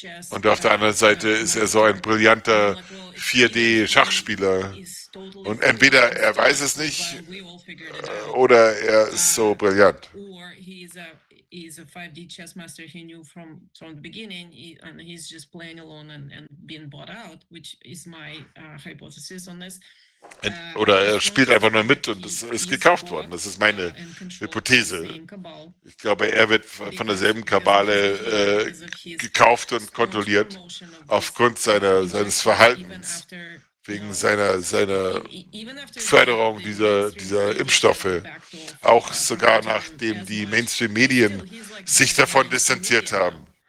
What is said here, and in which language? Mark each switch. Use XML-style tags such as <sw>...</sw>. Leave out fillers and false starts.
<de>Und auf der anderen Seite ist er so ein brillanter 4D-Schachspieler. Und entweder er weiß es nicht oder er ist so brillant.</de> <en>He's a 5D chess master. He knew from the beginning, and he's just playing alone and being bought out, which is my hypothesis on this.</en> <de>Oder er spielt einfach nur mit und es ist gekauft worden. Das ist meine Hypothese. Ich glaube, er wird von derselben Kabale gekauft und kontrolliert aufgrund seines Verhaltens wegen seiner Förderung dieser Impfstoffe, auch sogar nachdem die Mainstream-Medien sich davon distanziert haben.</de>